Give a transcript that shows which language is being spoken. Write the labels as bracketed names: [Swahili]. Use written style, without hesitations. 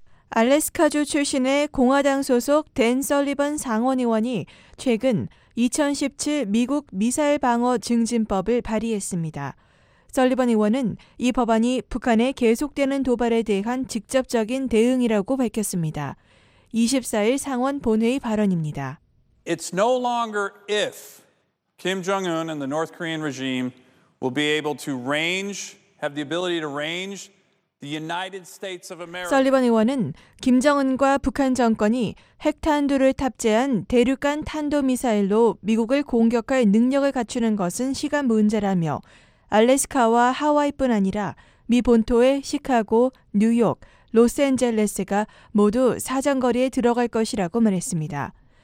[Korean] 알래스카주 출신의 공화당 소속 댄 설리번 상원 의원이 최근 2017 미국 미사일 방어 증진법을 발의했습니다. 설리번 의원은 이 법안이 북한의 계속되는 도발에 대한 직접적인 대응이라고 밝혔습니다. 24일 상원 본회의 발언입니다. [English] It's no longer if Kim Jong-un and the North Korean regime will be able to range, have the ability to range the United States of America. [Korean] 설리번 의원은 김정은과 북한 정권이 핵탄두를 탑재한 대륙간 탄도미사일로 미국을 공격할 능력을 갖추는 것은 시간 문제라며 알래스카와 하와이뿐 아니라 미 본토의 시카고, 뉴욕, 로스앤젤레스가 모두 사정거리에 들어갈 것이라고 말했습니다.